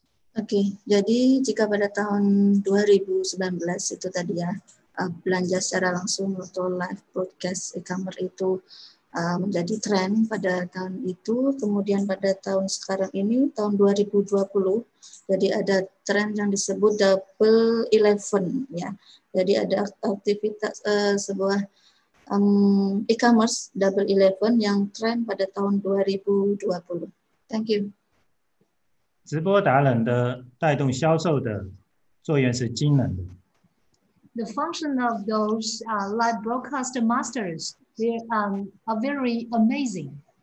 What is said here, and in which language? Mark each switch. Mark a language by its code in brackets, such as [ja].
[id] Okay, jadi jika pada tahun 2019 itu tadi ya, belanja secara langsung atau live broadcast e-commerce itu menjadi tren pada tahun itu, kemudian pada tahun sekarang ini, tahun 2020, jadi ada tren yang disebut Double 11 ya. Jadi ada aktivitas sebuah e-commerce Double 11 yang tren pada tahun 2020. [en] Thank you. [zh] 直播达人的带动销售的作用是惊人的。The [en] function of those live broadcast masters, they are very amazing.